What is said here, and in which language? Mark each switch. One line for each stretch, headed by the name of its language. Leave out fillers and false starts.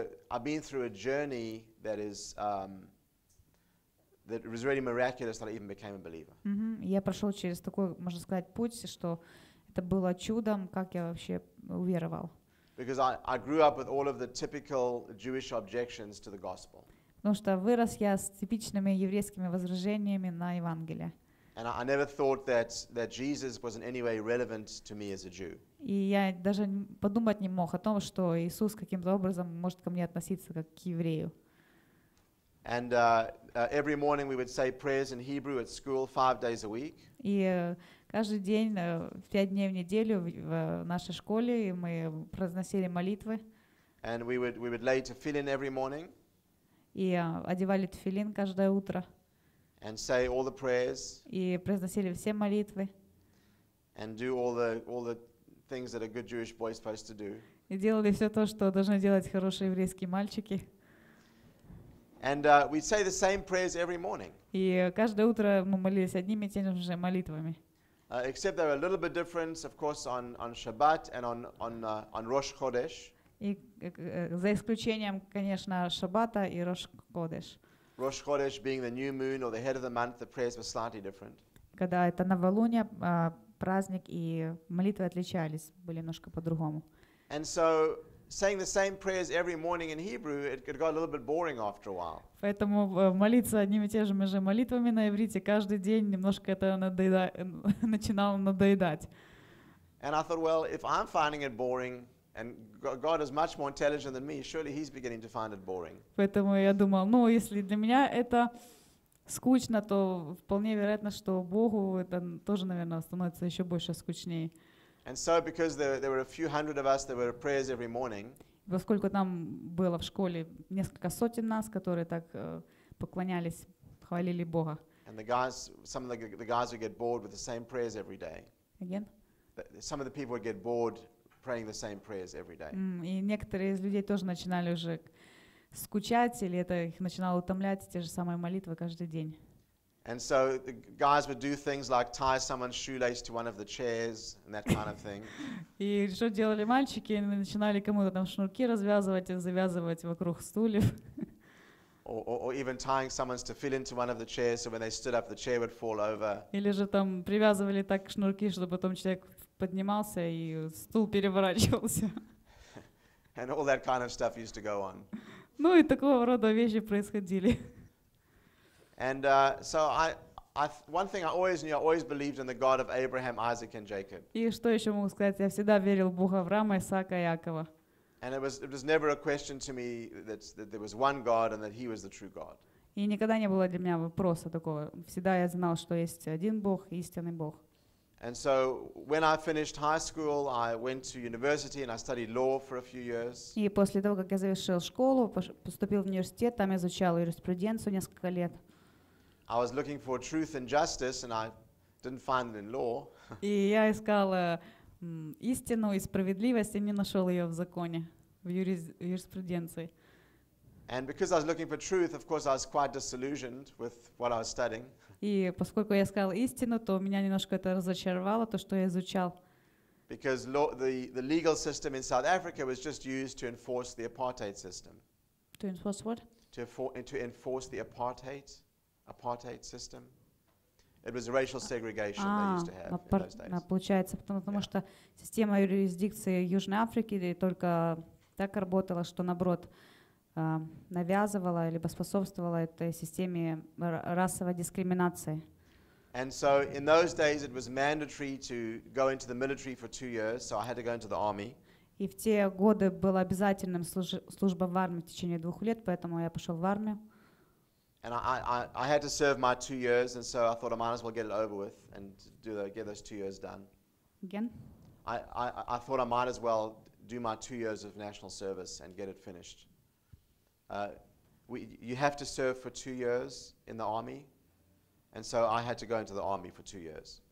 English: I've been through a journey that is that was really miraculous that I even became a believer. Mm-hmm.
Russian: Я прошел через такой, можно сказать, путь, что это было чудом, как я вообще уверовал.
English: Because I grew up with all of the typical Jewish objections to the gospel.
Russian: Потому что вырос я с типичными еврейскими возражениями на Евангелие.
English: And I never thought that Jesus was in any way relevant to me as a Jew.
Russian: И я даже подумать не мог о том, что Иисус каким-то образом может ко мне относиться как к еврею.
English: And every morning we would say prayers in Hebrew at school 5 days a week.
Russian: И каждый день, 5 дней в неделю в нашей школе мы произносили молитвы.
English: And we would lay tefillin every morning.
Russian: И одевали тфилин каждое утро.
English: And say all the prayers.
Russian: И произносили все молитвы.
English: And do all the things that a good Jewish boy is supposed to do.
Russian: И делали все то, что должны делать хорошие еврейские мальчики.
English: And we say the same prayers every morning.
Russian: И каждое утро мы молились одними и теми же молитвами.
English: Except they're a little bit different, of course, on Shabbat and on Rosh Chodesh.
Russian: И за исключением, конечно, Шаббата и Рош Кодеш.
English: Rosh Chodesh being the new moon or the head of the month, the prayers were slightly different.
Russian: Когда это новолуние, праздник и молитвы отличались, были немножко по-другому.
English: And so, saying the same prayers every morning in Hebrew, it could go a little bit boring after a while.
Russian: Поэтому молиться одними и теми же молитвами на иврите каждый день немножко это начинало надоедать.
English: And I thought, well, if I'm finding it boring, and God is much more intelligent than me, surely He's beginning to find it boring.
Russian: Поэтому я думал, ну если для меня это скучно, то вполне вероятно, что Богу это тоже, наверное, становится еще больше скучнее.
English: And so, because there were a few hundred of us, there were prayers every morning.
Russian: Поскольку там было в школе несколько сотен нас, которые так поклонялись, хвалили Бога.
English: And the guys, some of the guys would get bored with the same prayers every day. Again? Some of the people would get bored praying the same prayers every day.
Russian: И некоторые из людей тоже начинали уже скучать, или это их начинало утомлять, те же самые молитвы каждый день.
English: And so the guys would do things like tie someone's shoelace to one of the chairs and that kind of thing.
Russian: И что делали мальчики? Они начинали кому-то там шнурки развязывать и завязывать вокруг стульев.
English: Or even tying someone's tefillin to one of the chairs so when they stood up the chair would fall over.
Russian: Или же там привязывали так шнурки, чтобы потом человек поднимался и стул переворачивался.
English: And all that kind of stuff used to go on.
Russian: Ну и такого рода вещи происходили.
English: And so one thing I always knew, I always believed in the God of Abraham, Isaac, and Jacob.
Russian: И что еще могу сказать? Я всегда верил в Бога Авраама, Исаака и Якова.
English: And it was never a question to me that there was one God and that He was the true God.
Russian: И никогда не было для меня вопроса такого. Всегда я знал, что есть один Бог, истинный Бог.
English: And so when I finished high school, I went to university and I studied law for a few years.
Russian: И после того, как я завершил школу, поступил в университет, там изучал юриспруденцию несколько лет.
English: I was looking for truth and justice, and I didn't find it in law.
Russian: И я искал истину и справедливость, и не нашел ее в законе, в юриспруденции.
English: And because I was looking for truth, of course, I was quite disillusioned with what I was studying.
Russian: И поскольку я искал истину, то меня немножко это разочаровало, то, что я изучал.
English: Because the legal system in South Africa was just used to enforce the apartheid system. To enforce what? To enforce the apartheid system. It was a racial segregation they used to have in those days.
Russian: Получается, потому что система юрисдикции Южной Африки только так работала, что наоборот навязывала либо способствовала этой системе расовой дискриминации.
English: And so in those days it was mandatory to go into the military for 2 years, so I had to go into the army.
Russian: И в те годы было обязательным служба в армии в течение 2 лет, поэтому я пошел в армию.
English: And I had to serve my 2 years, and so I thought I might as well get it over with and get those 2 years done. Again? I thought I might as well do my 2 years of national service and get it finished. You have to serve for 2 years in the army, and so I had to go into the army for 2 years.